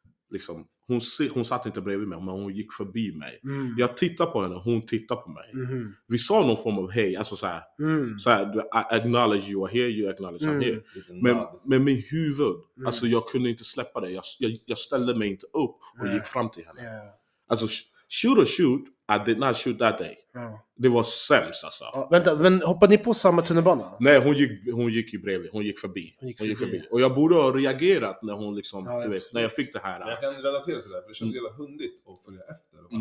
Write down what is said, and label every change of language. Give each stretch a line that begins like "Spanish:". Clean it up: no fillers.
Swedish: Liksom, hon satt inte bredvid mig, men hon gick förbi mig. Mm. Jag tittar på henne, hon tittar på mig. Mm. Vi sa någon form av hej, alltså såhär. Mm.
English: Såhär, I acknowledge you are here, you acknowledge I'm here.
Swedish: Men min huvud, alltså jag kunde inte släppa det. Jag ställde mig inte upp och gick fram till henne.
English: Yeah. Alltså, shoot or shoot, I did not shoot that day. Yeah.
Swedish: Det var sämst alltså. Vänta, men hoppade ni på samma tunnelbana? Nej, hon gick ju bredvid, hon gick förbi. Och jag borde ha reagerat när hon liksom, du vet, när jag fick det här. Men jag kan relatera till det här, för det känns jävla hundigt att följa efter.